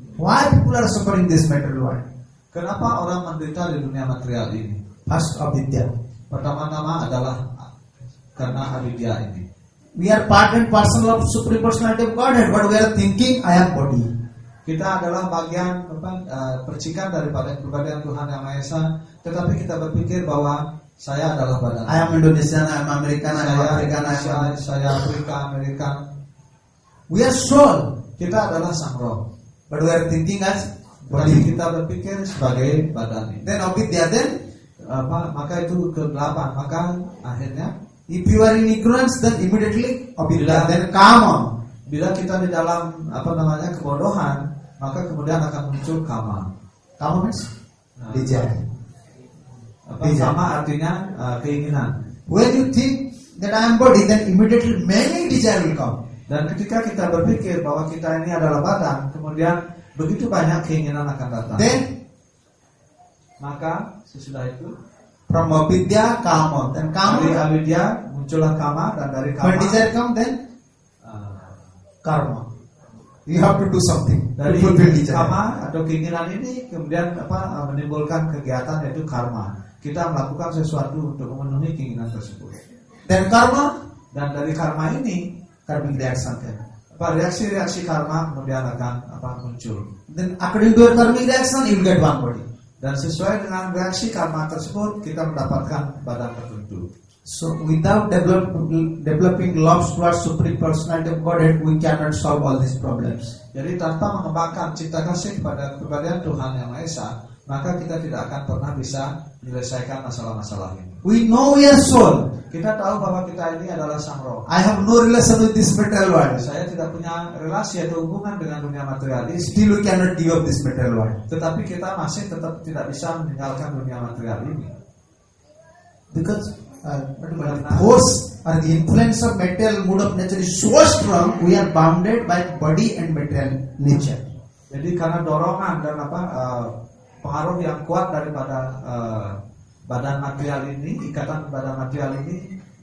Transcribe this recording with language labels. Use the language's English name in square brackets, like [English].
[English] Why people are suffering this material world? [Indonesian] Kenapa orang menderita di dunia material ini? [English] First avidya. [Indonesian] Pertama-tama adalah karena hari dia ini. [English] We are part and parcel of Supreme Personality of Godhead, but we are thinking I am body. [Indonesian] Kita adalah bagian percikan daripada kebadian Tuhan Yang Maha Esa, tetapi kita berpikir bahwa saya adalah badan. [English] I am Indonesian, I am American, I am African, [Indonesian] saya Afrika, Amerika. [English] We are soul. [Indonesian] Kita adalah sang roh. [English] But we are thinking as body. [Indonesian] Kita berpikir sebagai badan. [English] Then obitia then [Indonesian] apa? Maka itu ke 8. Maka akhirnya [English] if you are in ignorance then immediately obitia then kama. [Indonesian] Bila kita di dalam apa namanya kebodohan, maka kemudian akan muncul kama. [English] Kama means desire. [Indonesian] Apa sama artinya keinginan. [English] When you think that I am body, then immediately many desire will come. [Indonesian] Dan ketika kita berpikir bahwa kita ini adalah badan, kemudian begitu banyak keinginan akan datang. [English] Then, [Indonesian] maka sesudah itu, [English] from avidya kama, then kama. [Indonesian] Dari avidya muncullah kama dan dari kama. [English] When desire come, then karma. You have to do something. [Indonesian] Dari kama atau keinginan ini kemudian apa menimbulkan kegiatan yaitu karma. Kita melakukan sesuatu untuk memenuhi keinginan tersebut. Dan karma dan dari karma ini [English] karmic reaction. [Indonesian] Apa reaksi-reaksi karma kemudian akan apa muncul. [English] Then according to your karmic reaction you get one body. [Indonesian] Dan sesuai dengan reaksi karma tersebut kita mendapatkan badan tertentu. [English] So without developing love towards Supreme Personality of Godhead, we cannot solve all these problems. [Indonesian] Jadi tanpa mengembangkan cinta kasih kepada kebadian Tuhan Yang Maha Esa, maka kita tidak akan pernah bisa menyelesaikan masalah-masalah ini. [English] We know we are soul. [Indonesian] Kita tahu bahwa kita ini adalah sang roh. [English] I have no relation with this material world. [Indonesian] Saya tidak punya relasi atau hubungan dengan dunia materialis. [English] Still we cannot give up this material world. [Indonesian] Tetapi kita masih tetap tidak bisa meninggalkan dunia material ini. [English] Because the force or the influence of material mood of nature is so strong, we are bounded by body and material nature. [Indonesian] Jadi karena dorongan dan apa pengaruh yang kuat daripada badan material ini, ikatan badan material ini,